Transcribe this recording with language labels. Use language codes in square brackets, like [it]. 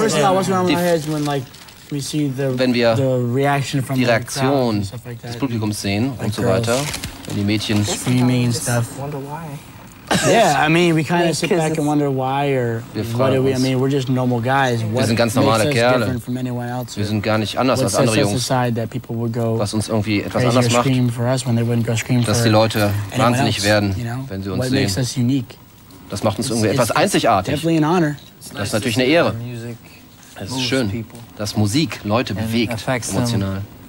[en] First of all, what's going on in our heads when like we see the reaction from [de] die Reaktion des Publikums sehen und so weiter, wenn die Mädchen [en] screaming stuff. Yeah, I mean, we kind of sit back and wonder why or what are we? I mean, we're just normal guys. [de] Wir sind ganz normale Kerle. Wir sind gar nicht anders als andere Jungs. Was uns irgendwie etwas anders macht, dass die Leute wahnsinnig werden, wenn sie uns sehen. Das macht uns irgendwie etwas einzigartig. Das ist natürlich eine Ehre. Es ist schön, dass Musik Leute bewegt, emotional.